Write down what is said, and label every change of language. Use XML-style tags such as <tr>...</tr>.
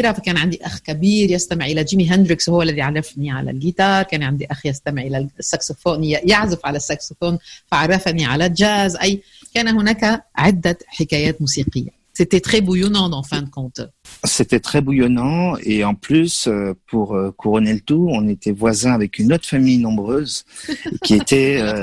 <fr>J'avais un grand frère qui écoutait Jimi Hendrix, qui m'a appris à la guitare. J'avais un frère qui écoutait le saxophone, qui joue</fr> <ar>على الساكسفون، فعرفني على الجاز. أي كان هناك عدة حكايات موسيقية.</ar> <fr>C'était très bouillonnant, en fin de compte. C'était très bouillonnant. Et en plus, pour couronner le tout, on était voisins avec une autre famille nombreuse qui était...</fr>